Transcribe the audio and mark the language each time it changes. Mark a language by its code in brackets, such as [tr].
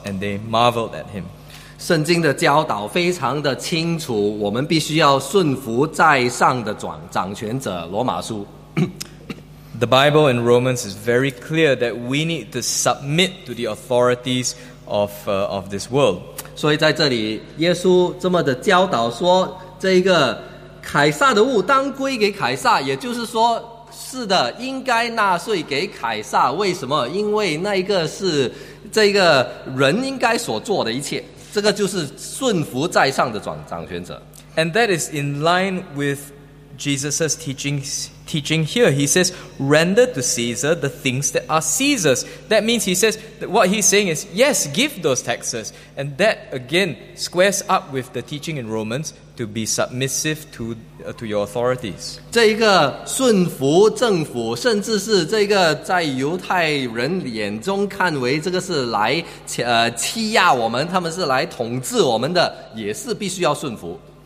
[en] And they marveled at him. [zh] 圣经的教导非常的清楚，我们必须要顺服在上的掌权者，罗马书。 [en] The Bible in Romans is very clear that we need to submit to the authorities of this world. [zh] 所以在这里，耶稣这么的教导说，这个凯撒的物当归给凯撒，也就是说，是的，应该纳税给凯撒。为什么？因为那个是这个人应该所做的一切。这个就是顺服在上的掌权者。 [en] And that is in line with Jesus' teaching here. He says, render to Caesar the things that are Caesar's. That means he says, that what he's saying is, yes, give those taxes. And that, again, squares up with the teaching in Romans to be submissive to your authorities. [zh] 这一个顺服政府，甚至是这个在犹太人眼中看为这个是来欺压我们，他们是来统治我们的，也是必须要顺服。